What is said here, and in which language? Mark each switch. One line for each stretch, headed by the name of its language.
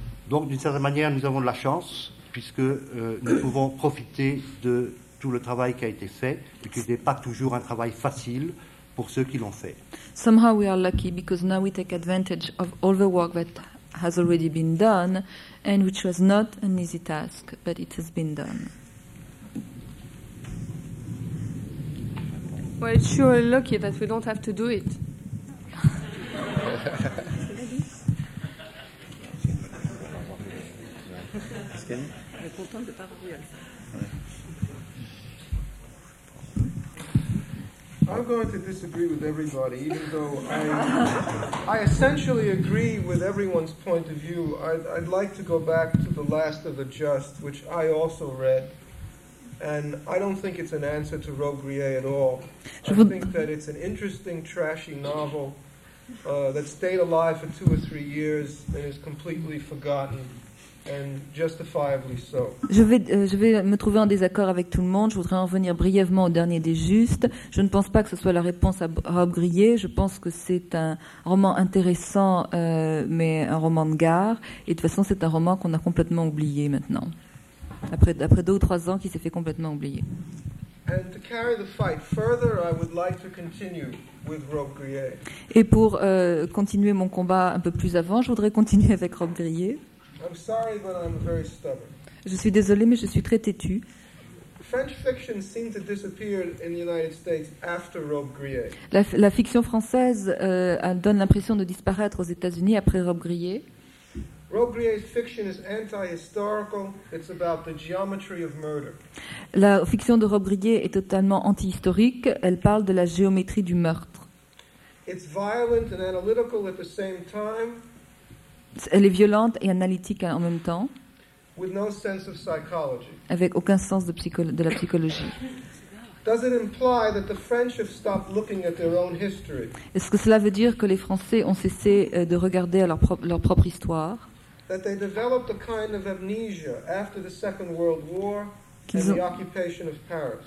French: Donc, d'une certaine manière, nous avons de la chance, puisque nous pouvons profiter de tout le travail qui a été fait, et qui n'est pas toujours un travail facile pour ceux qui l'ont fait.
English: Somehow we are lucky, because now we take advantage of all the work that has already been done, and which was not an easy task, but it has been done. Well, it's sure lucky that we don't have to do it. I'm going to disagree with everybody, even though I essentially agree with everyone's point of view. I'd like to go back to The Last of the Just, which I also read, and I don't think it's an answer to Rogrier at all. I think that it's an interesting, trashy novel that stayed alive for 2 or 3 years and is completely forgotten. And justifiably so.
French: Je vais me trouver en désaccord avec tout le monde. Je voudrais en revenir brièvement au dernier des justes. Je ne pense pas que ce soit la réponse à Rob Grier. Je pense que c'est un roman intéressant, mais un roman de gare. Et de toute façon, c'est un roman qu'on a complètement oublié maintenant. Après 2 ou 3 ans, qui s'est fait complètement oublier.
English: And to carry the fight further, I would like to continue with Rob Grier.
French: Et pour continuer mon combat un peu plus avant, je voudrais continuer avec Rob Grier.
English: I'm sorry, but I'm very stubborn.
French: Je suis désolé, mais je suis très têtu.
English: French fiction seemed to disappear in the United States after Rob Grier.
French: La fiction française donne l'impression de disparaître aux États-Unis après Rob Grier.
English: Rob Grier's fiction is anti-historical. It's about the geometry of murder.
French: La fiction de Rob Grier est totalement anti-historique. Elle parle de la géométrie du meurtre.
English: It's violent and analytical at the same time.
French: Elle est violente et analytique en même temps,
English: with no sense of psychology.
French: Avec aucun sens de la psychologie.
English: Does it imply that the French have stopped looking at their own history?
French: Est-ce que cela veut dire que les Français ont cessé de regarder à leur propre histoire?
English: That they developed a kind of amnesia after the Second World War and the occupation of Paris.